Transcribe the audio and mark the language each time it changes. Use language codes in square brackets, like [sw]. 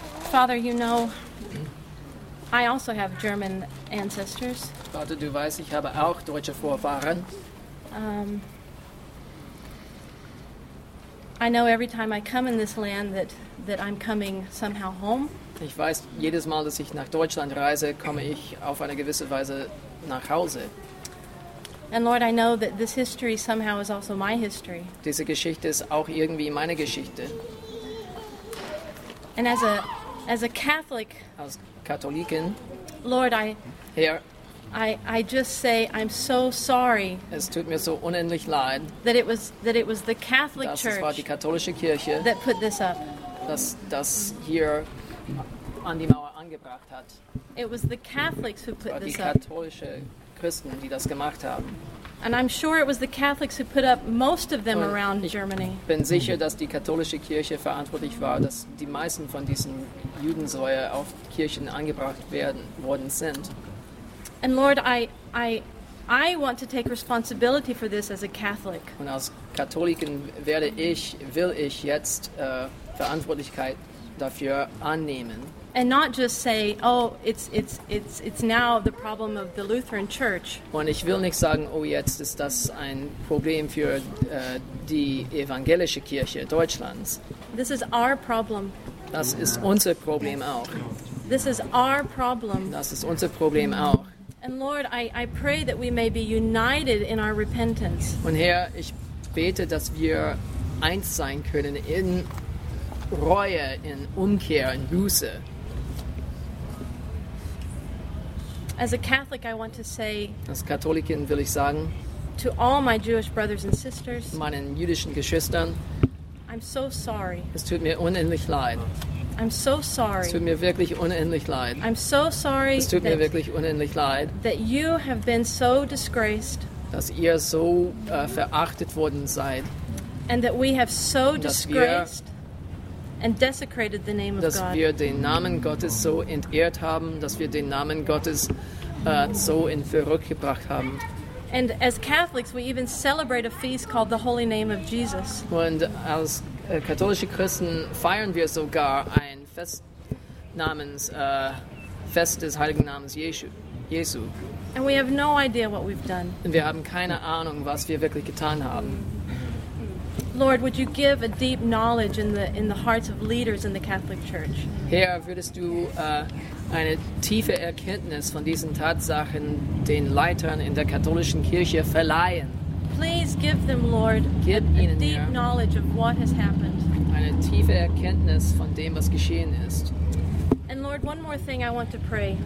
[en] Father, you know, I also have German ancestors. [de] Vater, du weißt, ich habe auch deutsche Vorfahren. [en] I know every time I come in this land that I'm coming somehow home. [de] Ich weiß, jedes Mal, dass ich nach Deutschland reise, komme ich auf eine gewisse Weise nach Hause. [en] And Lord, I know that this history somehow is also my history. [de] Diese Geschichte ist auch irgendwie meine Geschichte. [en] And as a Catholic, [de] als Katholikin, [en] Lord, I just say I'm so sorry. [de] Es tut mir so unendlich leid. [en] That it was the Catholic Church. [de] Das war die katholische Kirche. [en] That put this up. [de] Das hier an die Mauer angebracht hat. [en] It was the Catholics who put this up. [de] Die katholische Christen, die das gemacht haben. [en] And I'm sure it was the Catholics who put up most of them around Germany. [de] Ich bin sicher, dass die katholische Kirche verantwortlich war, dass die meisten von diesen Judensäuer auf Kirchen angebracht worden sind. [en] And Lord, I want to take responsibility for this as a Catholic. [de] Und als Katholikin will ich jetzt Verantwortlichkeit dafür annehmen. [en] And not just say, oh, it's now the problem of the Lutheran Church. [de] Und ich will nicht sagen, oh, jetzt ist das ein Problem für die evangelische Kirche Deutschlands. [en] This is our problem. [de] Das ist unser Problem auch. [en] This is our problem. [de] Das ist unser Problem auch. [en] And Lord, I pray that we may be united in our repentance. [de] Und Herr, ich bete, dass wir eins sein können in Reue, in Umkehr, in Buße. [en] As a Catholic, I want to say, [de] als Katholikin will ich sagen, [en] to all my Jewish brothers and sisters, [de] meinen jüdischen Geschwistern, [en] I'm so sorry. [de] Es tut mir unendlich leid. [en] I'm so sorry. [de] Es tut mir wirklich unendlich leid. [en] I'm so sorry. [de] Es tut mir wirklich unendlich leid. [en] That you have been so disgraced. [de] Dass ihr so verachtet worden seid. [en] And that we have so disgraced and desecrated the name of God. [de] Dass wir den Namen Gottes so entehrt haben, dass wir den Namen Gottes so in Verruch gebracht haben. [en] And as Catholics, we even celebrate a feast called the Holy Name of Jesus. [de] Und als katholische Christen feiern wir sogar ein Fest namens Fest des heiligen Namens Jesu. [en] And we have no idea what we've done. [de] Und wir haben keine Ahnung, was wir wirklich getan haben. [en] Lord, would you give a deep knowledge in the hearts of leaders in the Catholic Church? [de] Herr, würdest du eine tiefe Erkenntnis von diesen Tatsachen den Leitern in der katholischen Kirche verleihen? [en] Please give them, Lord, a deep knowledge of what has happened. [de] Eine tiefe Erkenntnis von dem, was geschehen ist. [en] And Lord, one more thing I want to pray.